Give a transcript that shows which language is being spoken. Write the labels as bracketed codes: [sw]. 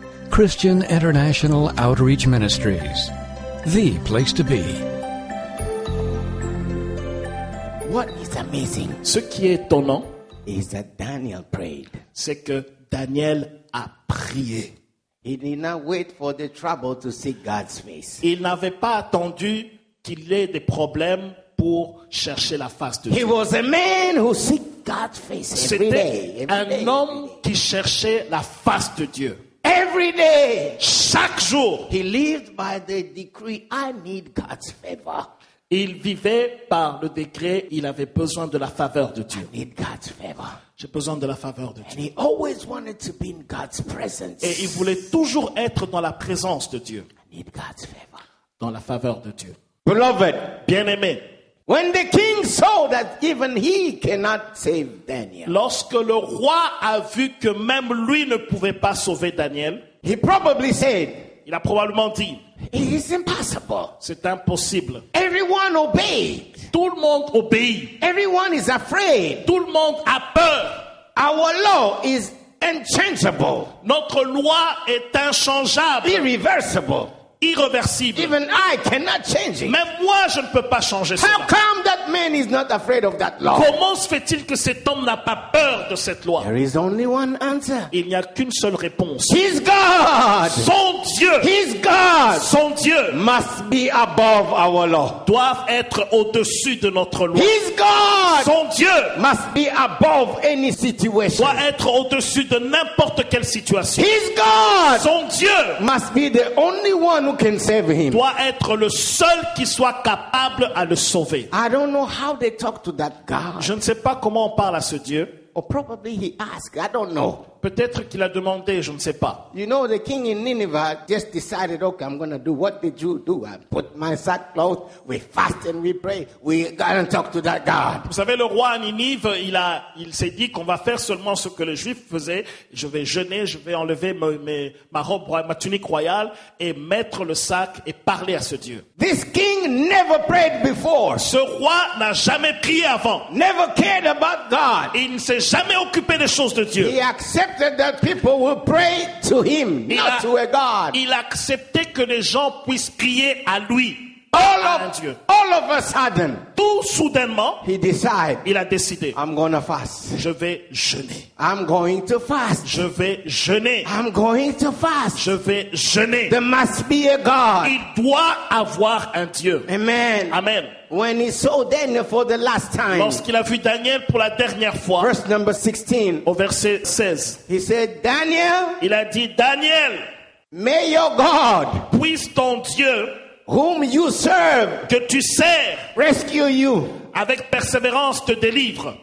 [en] Christian International Outreach Ministries, the place to be. What is amazing? [fr] Ce qui est étonnant, [en] is that Daniel prayed. [fr] C'est que Daniel a prié. [en] He did not wait for the trouble to see God's face. [fr] Il n'avait pas attendu qu'il ait des problèmes pour chercher la face de Dieu. [en] He was a man who seek God's face every day. [fr] C'était un homme qui cherchait la face de Dieu. [en] Every day, [fr] chaque jour, [en] he lived by the decree, "I need God's favor." [fr] Il vivait par le décret, il avait besoin de la faveur de Dieu. [en] I need God's favor. [fr] J'ai besoin de la faveur de Dieu. [en] And he always wanted to be in God's presence. [fr] Et il voulait toujours être dans la présence de Dieu. [en] I need God's favor. [fr] Dans la faveur de Dieu. [en] Beloved, [fr] bien-aimé. [en] When the king saw that even he cannot save Daniel. [fr] Lorsque le roi a vu que même lui ne pouvait pas sauver Daniel, [en] he probably said, [fr] il a probablement dit, [en] it is impossible. [fr] C'est impossible. [en] Everyone obeyed. [fr] Tout le monde obéit. [en] Everyone is afraid. [fr] Tout le monde a peur. [en] Our law is unchangeable. [fr] Notre loi est inchangeable. [en] Irreversible. [fr] Irréversible. [en] Even I cannot change it. [fr] Même moi, je ne peux pas changer [en] How [fr] cela. [en] Come that man is not afraid of that law? [fr] Comment se fait-il que cet homme n'a pas peur de cette loi? [en] There is only one answer. [fr] Il n'y a qu'une seule réponse. [en] His God, [fr] son Dieu, [en] His God, [fr] son Dieu, [en] must be above our law. [fr] Doivent être au-dessus de notre loi. [en] His God, [fr] son Dieu, [en] must be above any situation. [fr] Doit être au-dessus de n'importe quelle situation. [en] His God, [fr] son Dieu, [en] must be the only one who can save him. [fr] Doit être le seul qui soit capable à le sauver. [en] I don't know how they talk to that God. [fr] Je ne sais pas comment on parle à ce Dieu. [en] Or probably he asked, I don't know. [fr] Peut-être qu'il a demandé, je ne sais pas. [en] You know, the king in Nineveh just decided, okay, I'm going to do what the Jews do. I put my sackcloth, we fast and we pray. We gotta talk to that God. [fr] Vous savez, le roi à Nineveh, il s'est dit qu'on va faire seulement ce que les Juifs faisaient. Je vais jeûner, je vais enlever ma robe, ma tunique royale et mettre le sac et parler à ce Dieu. [en] This king never prayed before. [fr] Ce roi n'a jamais prié avant. [en] Never cared about God. [fr] Il ne s'est jamais occupé des choses de Dieu. [en] That people will pray to him, not to a God. [fr] Il acceptait que les gens puissent prier à lui. [en] All of a sudden, [fr] tout soudainement, [en] he decided, [fr] il a décidé, [en] I'm going to fast. [fr] Je vais jeûner. [en] I'm going to fast. [fr] Je vais jeûner. [en] I'm going to fast. [fr] Je vais jeûner. [en] There must be a God. [fr] Il doit avoir un Dieu. [en] Amen. [fr] Amen. [en] When he saw Daniel for the last time, [fr] lorsqu'il a vu Daniel pour la dernière fois, [en] verse number 16, [fr] au verset 16, [en] he said, Daniel, [fr] il a dit, Daniel, [en] may your God, [fr] puisse ton Dieu, [en] whom you serve, [fr] que tu sers, [en] rescue you, [fr] avec persévérance te délivre.